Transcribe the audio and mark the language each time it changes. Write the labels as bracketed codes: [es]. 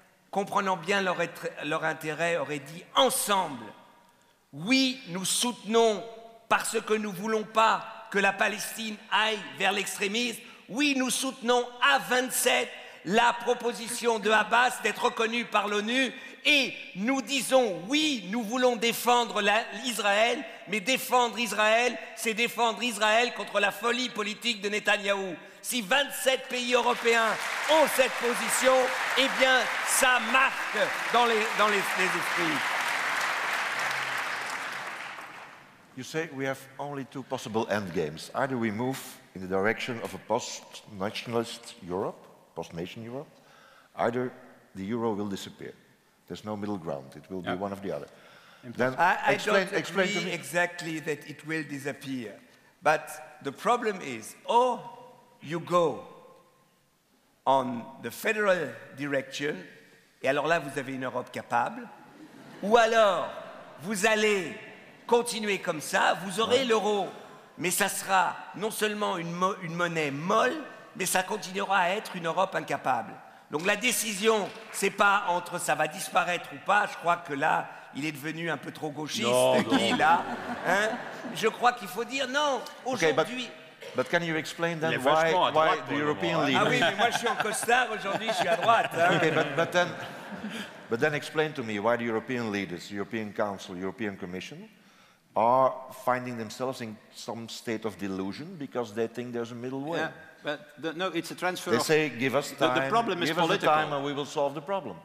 [fr] comprenant bien leur intérêt, auraient dit ensemble, oui, nous soutenons parce que nous ne voulons pas que la Palestine aille vers l'extrémisme, oui, nous soutenons à 27 la proposition de Abbas d'être reconnue par l'ONU et nous disons, oui, nous voulons défendre l'Israël, mais défendre Israël, c'est défendre Israël contre la folie politique de Netanyahou. Si 27 pays européens ont cette position, eh bien, ça marque dans les esprits. [en] You say we have only two possible end games. Either we move in the direction of a post-nationalist Europe, post-nation Europe, either the euro will disappear. There's no middle ground. It will be one of the other. Then I don't agree exactly that it will disappear. But the problem is, or you go on the federal direction, [fr] et alors là, vous avez une Europe capable, ou alors vous allez continuer comme ça, vous aurez l'euro, mais ça sera non seulement une monnaie molle, mais ça continuera à être une Europe incapable. Donc la décision, c'est pas entre ça va disparaître ou pas, je crois que là, il est devenu un peu trop gauchiste, là. Hein? Je crois qu'il faut dire non, aujourd'hui... Okay, [en] but can you explain then why the European League... [fr] Ah oui, mais moi je suis en costard aujourd'hui, je suis à droite. Hein? [en] Okay, but then explain to me why the European leaders, European Council, European Commission, are finding themselves in some state of delusion because they think there's a middle way. Yeah. But no, it's a transfer. They say, give us time. The problem is political. Give us the time, and we will solve the problem.